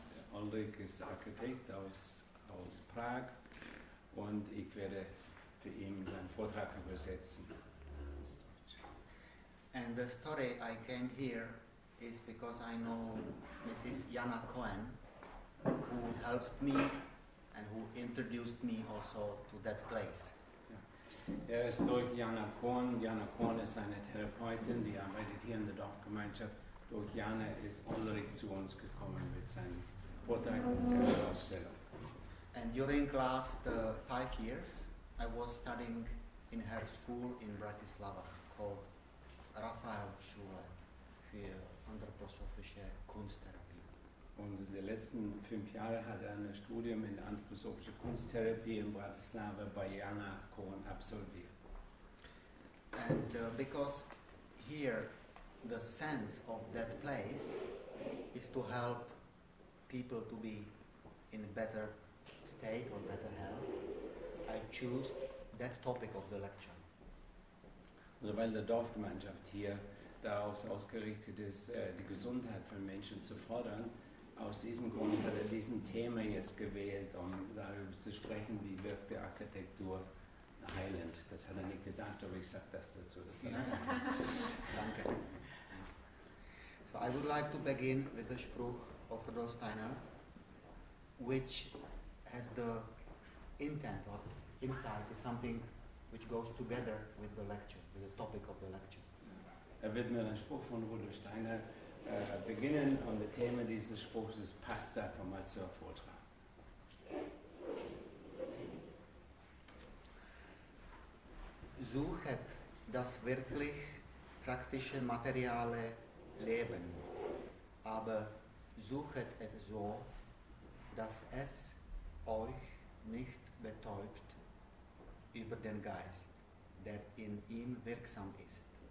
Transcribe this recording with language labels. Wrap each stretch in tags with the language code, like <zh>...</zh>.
<de>Ondřej ist Architekt aus Prag, und ich werde für ihn seinen Vortrag übersetzen.</de> <en>And the story I came here is because I know Mrs. Jana Cohen, who helped me and who introduced me also to that place.</en> <de>Er ist durch Jana Cohen. Jana Cohen ist eine Therapeutin, die arbeitet hier in der Dorfgemeinschaft. Durch Jana ist Ulrich zu uns gekommen mit seinem Vortrag und seiner Ausstellung.</de> <en>And during last 5 years, I was studying in her school in Bratislava called Raphael Schule für anthroposophische Kunsttherapie.</en> <de>Und in den letzten 5 Jahren hat er ein Studium in anthroposophische Kunsttherapie in Bratislava bei Jana Cohen absolviert.</de> <en>And because here the sense of that place is to help people to be in a better state or better health, I choose that topic of the lecture.</en> <de>Also weil der Dorfgemeinschaft hier darauf ausgerichtet ist, die Gesundheit von Menschen zu fördern, aus diesem Grund hat er diesen Thema jetzt gewählt, um darüber zu sprechen, wie wirkt die Architektur heilend. Das hat er nicht gesagt, aber ich sage das dazu. Das ja. Danke.</de> <en>So I would like to begin with the Spruch of Rudolf Steiner, which has the intent or insight is something which goes together with the lecture, with the topic of the lecture.</en> <de>Er wird mit einem Spruch von Rudolf Steiner beginnen, und das Thema dieses Spruchs ist passt einfach mal zur Vortrag. Suchet das wirklich praktische materiale Leben, aber suchet es so, dass es euch nicht betäubt über den Geist, der in ihm wirksam ist.</de>